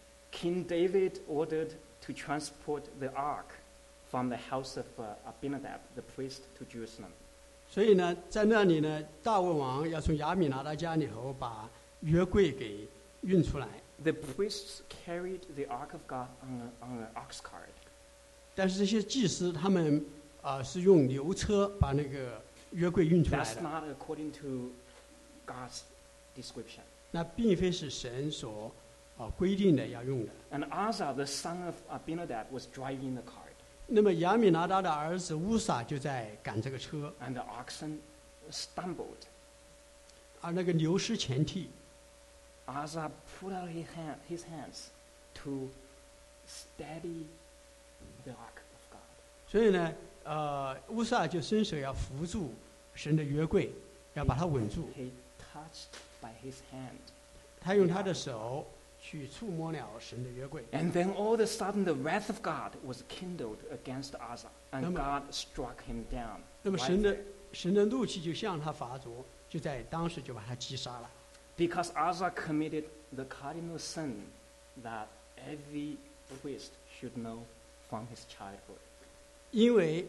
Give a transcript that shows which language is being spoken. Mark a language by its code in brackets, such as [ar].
[en] King David ordered to transport the ark from the house of Abinadab, the priest, to Jerusalem. [zh] 所以呢, 在那里呢, 大卫王要从亚米拿达家里头 把约柜给运出来。 [en] The priests carried the ark of God on an ox cart. [zh] 但是这些祭司他们, 是用牛车把那个约柜运出来的。 [en] That's not according to God's description. [zh] 那并非是神所, 规定的要用的。 [en] And Asa, the son of Abinadab, was driving the cart. [zh] 那么亚米拿达的儿子乌撒就在赶这个车, [en] and the oxen stumbled. [zh] 而那个牛失前蹄, [en] Asa put out his hands to steady the ark of God. [zh] 所以呢, 乌撒就伸手要扶住神的约柜, 要把它稳住。 [en] He touched by his hand. [zh] 他用他的手, 去触摸了神的约柜。 [en] And then all of a sudden the wrath of God was kindled against Asa, and [zh] 那么, [en] God struck him down. [zh] 那么神的怒气就向他发作, 就在当时就把他击杀了。 [en] Because Asa committed the cardinal sin that every priest should know from his childhood.